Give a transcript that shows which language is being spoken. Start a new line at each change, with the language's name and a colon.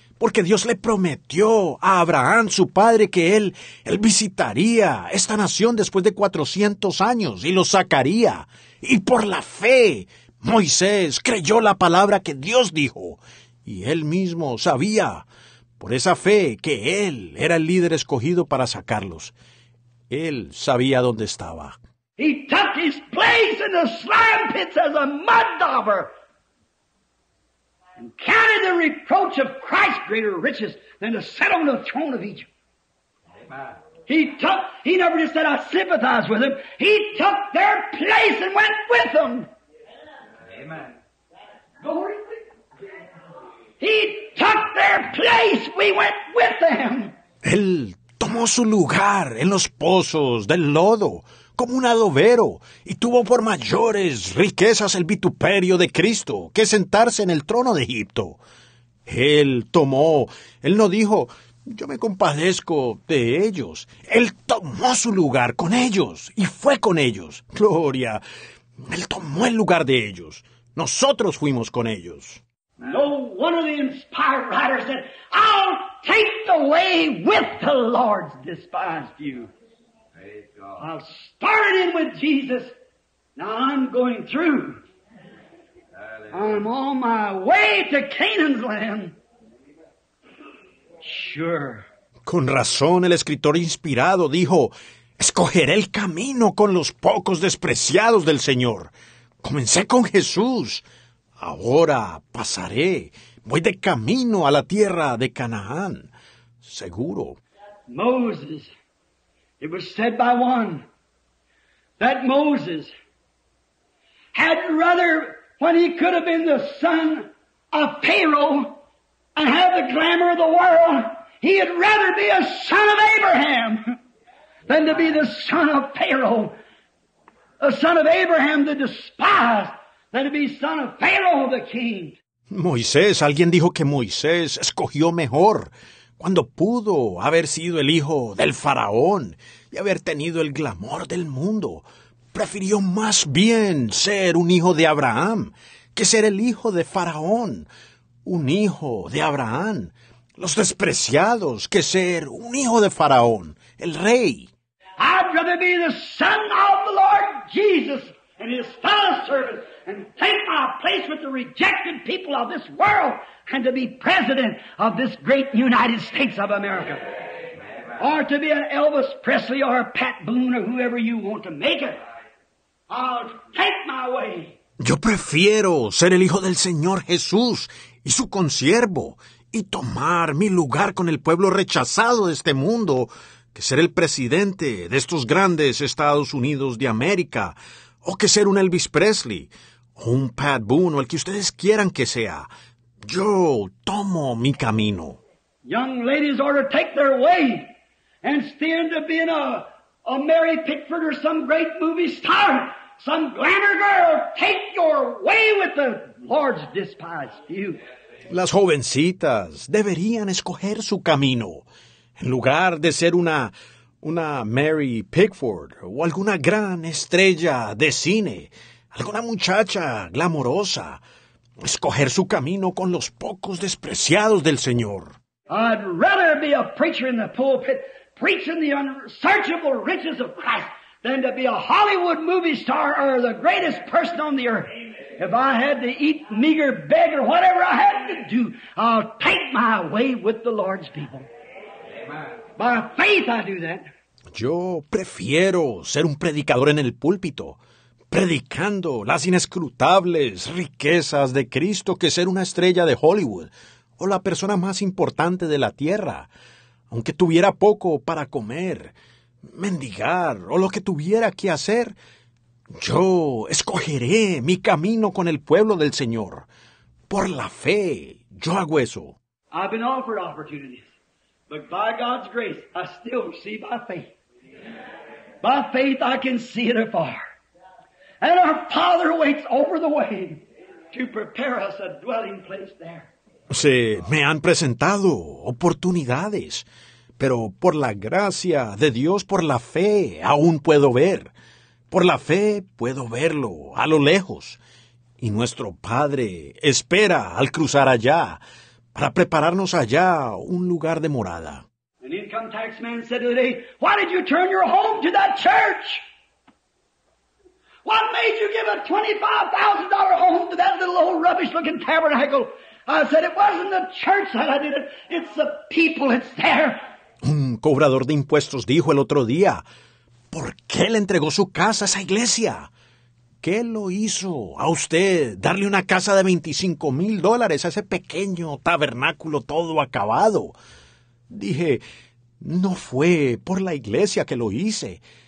Spanish: Porque Dios le prometió a Abraham, su padre, que él visitaría esta nación después de 400 años y lo sacaría. Y por la fe, Moisés creyó la palabra que Dios dijo. Y él mismo sabía, por esa fe, que él era el líder escogido para sacarlos. Él sabía dónde estaba.
English: He took his place in the slime pits as a mud dauber. And counted the reproach of Christ greater riches than to sit on the throne of Egypt. He never just said, I sympathize with him. He took their place and went with them. Amen. Glory to God. He took their place. We went with them.
Spanish: Él tomó su lugar en los pozos del lodo como un adobero, y tuvo por mayores riquezas el vituperio de Cristo que sentarse en el trono de Egipto. Él no dijo, yo me compadezco de ellos. Él tomó su lugar con ellos y fue con ellos. Gloria, Él tomó el lugar de ellos. Nosotros fuimos con ellos.
English: No one of the inspired writers said, I'll take the way with the Lord's despised you. I started in with Jesus. Now I'm going through. I'm on my way to Canaan's land. Sure.
Spanish: Con razón, el escritor inspirado dijo, escogeré el camino con los pocos despreciados del Señor. Comencé con Jesús. Ahora pasaré. Voy de camino a la tierra de Canaán. Seguro.
English: Moses. It was said by one that Moses had rather, when he could have been the son of Pharaoh and had the glamour of the world, he had rather be a son of Abraham than to be the son of Pharaoh. A son of Abraham, the despised, than to be son of Pharaoh, the king.
Spanish: Moisés, alguien dijo que Moisés escogió mejor cuando pudo haber sido el hijo del faraón y haber tenido el glamour del mundo. Prefirió más bien ser un hijo de Abraham que ser el hijo de faraón, un hijo de Abraham, los despreciados, que ser un hijo de faraón, el rey.
English: I'd rather be the son of the Lord Jesus and his fellow servant and take my place with the rejected people of this world and to be president of this great United States of America. Or to be an Elvis Presley or a Pat Boone or whoever you want to make it. I'll take my way.
Spanish: Yo prefiero ser el hijo del Señor Jesús y su consiervo y tomar mi lugar con el pueblo rechazado de este mundo que ser el presidente de estos grandes Estados Unidos de América, o que ser un Elvis Presley o un Pat Boone o el que ustedes quieran que sea. Yo tomo mi camino.
English: Young ladies ought to take their way and stand to be a Mary Pickford or some great movie star, some glamour girl. Take your way with the Lord's despised you.
Spanish: Las jovencitas deberían escoger su camino. En lugar de ser una Mary Pickford o alguna gran estrella de cine, alguna muchacha glamorosa, escoger su camino con los pocos despreciados del Señor.
English: I'd rather be a preacher in the pulpit preaching the unsearchable riches of Christ than to be a Hollywood movie star or the greatest person on the earth. If I had to eat meager, beg, or whatever I had to do, I'll take my way with the Lord's people. By faith I do that.
Spanish: Yo prefiero ser un predicador en el púlpito, predicando las inescrutables riquezas de Cristo, que ser una estrella de Hollywood o la persona más importante de la tierra. Aunque tuviera poco para comer, mendigar o lo que tuviera que hacer, yo escogeré mi camino con el pueblo del Señor. Por la fe, yo hago eso.
English: I've been offered opportunities, but by God's grace, I still see by faith. By faith, I can see it afar. And our Father waits over the way to prepare us a dwelling place there.
Spanish: Se me han presentado oportunidades, pero por la gracia de Dios, por la fe, aún puedo ver. Por la fe puedo verlo a lo lejos. Y nuestro Padre espera al cruzar allá para prepararnos allá un lugar de morada.
English: An income tax man said today, "Why did you turn your home to that church? What made you give a $25,000 home to that little old rubbish-looking tabernacle?" I said, "It wasn't the church that I did it. It's the people that's there."
Spanish: Un cobrador de impuestos dijo el otro día, "¿Por qué le entregó su casa a esa iglesia? ¿Qué lo hizo a usted darle una casa de $25,000 a ese pequeño tabernáculo todo acabado?" Dije, "No fue por la iglesia que lo hice.